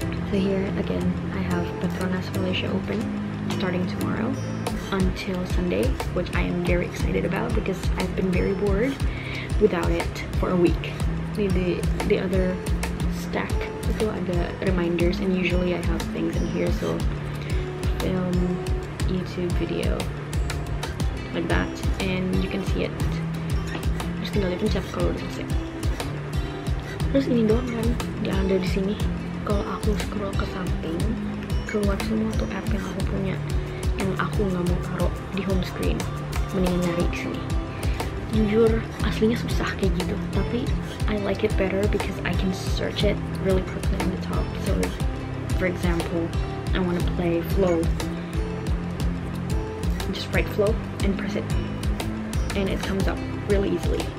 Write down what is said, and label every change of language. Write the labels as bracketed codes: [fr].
[en] So here again, I have Petronas Malaysia Open starting tomorrow until Sunday, which I am very excited about because I've been very bored without it for a week. The other stack also [id] ada [en] reminders, and usually I have things in here, so film, YouTube video, like that, and you can see it. [id] Terus tinggal dipencet kalau udah selesai. Terus ini doang kan yang ada di sini. Kalau aku scroll ke samping, keluar semua tuh app yang aku punya yang aku nggak mau taruh di home screen. Mendingan nyari di sini. Jujur, aslinya susah kayak gitu. Tapi [en] I like it better because I can search it really quickly on the top. So, for example, I want to play Flow. Just write Flow and press it, and it comes up really easily.